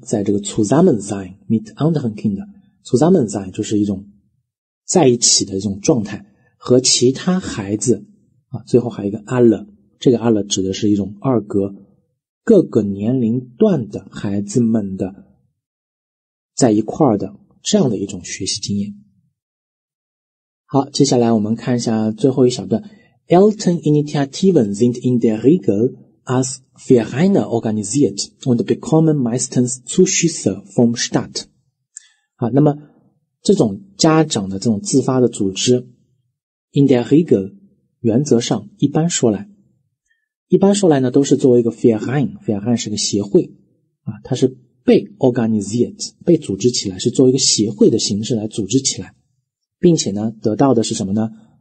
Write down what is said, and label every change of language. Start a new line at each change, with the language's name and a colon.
Chinese: 在这个
German: Zusammensein mit anderen Kinder，
Chinese: Zusammensein 就是一种在一起的一种状态，和其他孩子啊，最后还有一个 alle， 这个 alle 指的是一种二格，各个年龄段的孩子们的在一块的这样的一种学习经验。好，接下来我们看一下最后一小段。
German: Elterninitiativen sind in der Regel als Vereine organisiert und bekommen meistens Zuschüsse vom Staat.
Chinese: 好，那么这种家长的这种自发的组织 ，
German: in der Regel
Chinese: 原则上一般说来呢都是作为一个 Verein 是个协会啊，它是被 organisiert 被组织起来，是作为一个协会的形式来组织起来，并且呢得到的是什么呢？